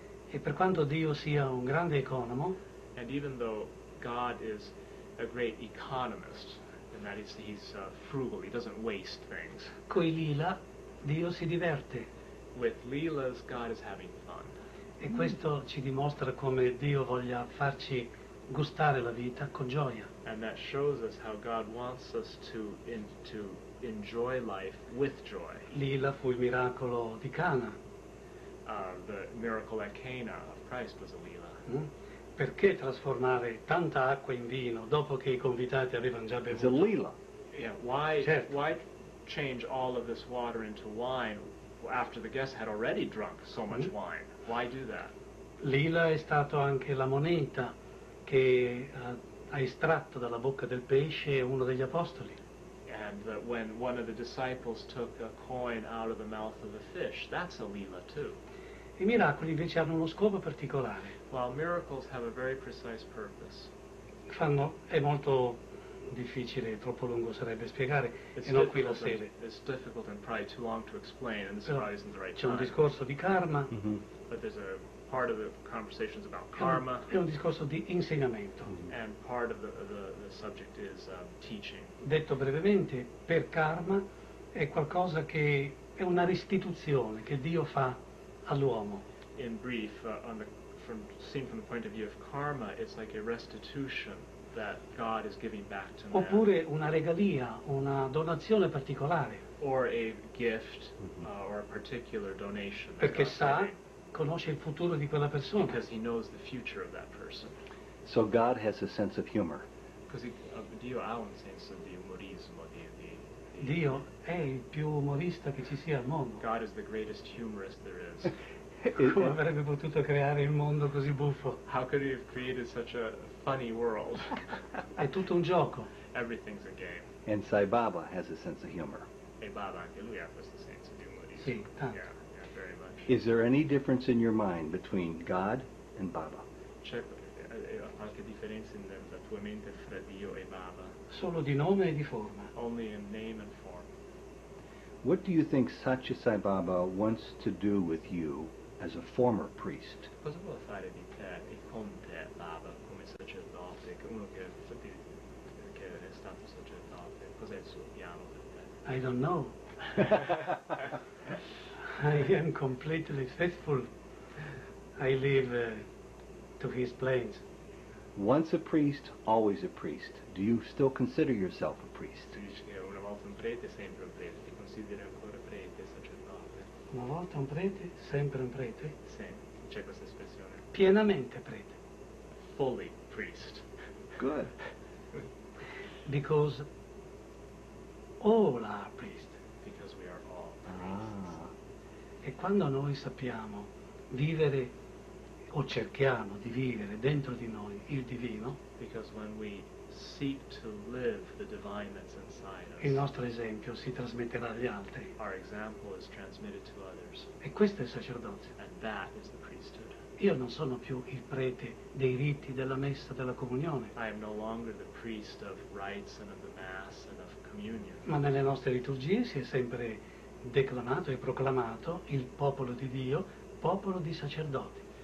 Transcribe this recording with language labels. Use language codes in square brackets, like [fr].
[it] E per quanto Dio sia un grande economo, [en] and even though God is a great economist, and that is he's frugal, he doesn't waste things. [it] Coi lila, Dio si diverte. [en] With lilas, God is having fun. [it] E questo ci dimostra come Dio voglia farci gustare la vita con gioia. [en] And that shows us how God wants us to enjoy life with joy. [it] Lila fu il miracolo di Cana. [en] the miracle at Cana of Christ was a lila. Mm. [it] Perché trasformare tanta acqua in vino dopo che I convitati avevano già bevuto? [en] It's a lila. Yeah, why, certo. Why change all of this water into wine after the guests had already drunk so much mm. wine? Why do that? [it] Lila è stato anche la moneta che ha estratto dalla bocca del pesce uno degli apostoli. [en] And that when one of the disciples took a coin out of the mouth of the fish, that's a lila too. [it] I miracoli invece hanno uno scopo particolare. [en] While miracles have a very precise purpose. [it] Fanno, è molto difficile, troppo lungo sarebbe spiegare, e non qui la sede. [en] It's difficult and probably too long to explain, and this probably isn't the right [it] time. C'è un discorso di karma. Mm-hmm. [en] But there's a part of the conversations about karma. [it] È un discorso di insegnamento. [en] And part of the subject is teaching. [it] Detto brevemente, per karma è qualcosa che è una restituzione che Dio fa all'uomo. [en] In brief, seen from the point of view of karma, it's like a restitution that God is giving back to man. [it] Oppure una regalia, una donazione particolare. [en] Or a gift, or a particular donation. [it] Perché sa, conosce il futuro di quella persona. [en] Because he knows the future of that person. So God has a sense of humor. [it] Because Dio ha un senso di umorismo. Dio è il più umorista che ci sia al mondo. [en] God is the greatest humorist there is. [it] Come avrebbe potuto creare il mondo così buffo? [en] How could he have created such a funny world? [it] È tutto un gioco. [en] Everything's a game. And Sai Baba has a sense of humor. [it] E Baba, anche lui ha questo senso di umorismo. Sì, tanto. [en] Yeah, very much. Is there any difference in your mind between God and Baba? [it] C'è qualche differenza nella tua mente fra Dio e Baba? Solo di nome e di forma. [en] Only in name and form. What do you think Sacha Sai Baba wants to do with you as a former priest? [it] Cosa vuole fare di te e con te, Baba, come sacerdote, uno che è stato sacerdote? Cos'è il suo piano per te? [en] I don't know. I am completely faithful. I live to his plans. Once a priest, always a priest. Do you still consider yourself a priest? [it] Una volta un prete, sempre un prete. Ti consideri ancora prete, sacerdote? Una volta un prete, sempre un prete? Sì, c'è questa espressione. Pienamente prete. [en] Fully priest. Good. Because all are priests. Because we are all priests. [it] E quando noi sappiamo vivere o cerchiamo di vivere dentro di noi il divino, [en] because when we seek to live the divine that's inside us, [it] il nostro esempio si trasmetterà agli altri. [en] Our example is transmitted to others. [it] E questo è il sacerdozio. [en] And that is the priesthood. [it] Io non sono più il prete dei riti della messa della comunione. [en] I am no longer the priest of rites and of the mass and of communion. [it] Ma nelle nostre liturgie si è sempre declamato e proclamato il popolo di Dio, popolo di sacerdoti.